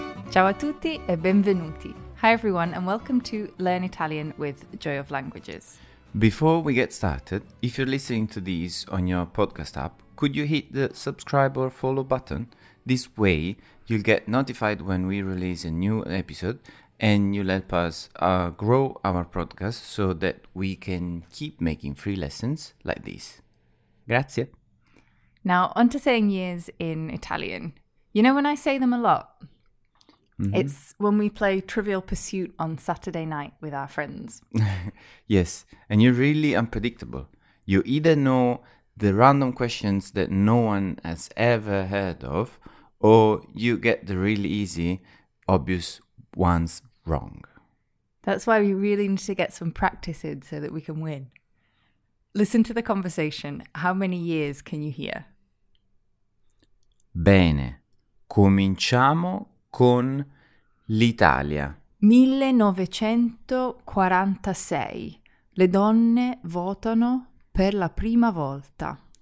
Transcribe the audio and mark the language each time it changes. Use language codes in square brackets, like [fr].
[it] Ciao a tutti e benvenuti. [en] Hi everyone and welcome to Learn Italian with Joy of Languages. Before we get started, if you're listening to these on your podcast app, could you hit the subscribe or follow button? This way you'll get notified when we release a new episode and you'll help us grow our podcast so that we can keep making free lessons like this. [it] Grazie. [en] Now on to saying years in Italian. You know when I say them a lot? Mm-hmm. It's when we play Trivial Pursuit on Saturday night with our friends. Yes, and you're really unpredictable. You either know the random questions that no one has ever heard of, or you get the really easy, obvious ones wrong. That's why we really need to get some practice in so that we can win. Listen to the conversation. How many years can you hear? [it] Bene, cominciamo con l'Italia. 1946. Le donne votano per la prima volta.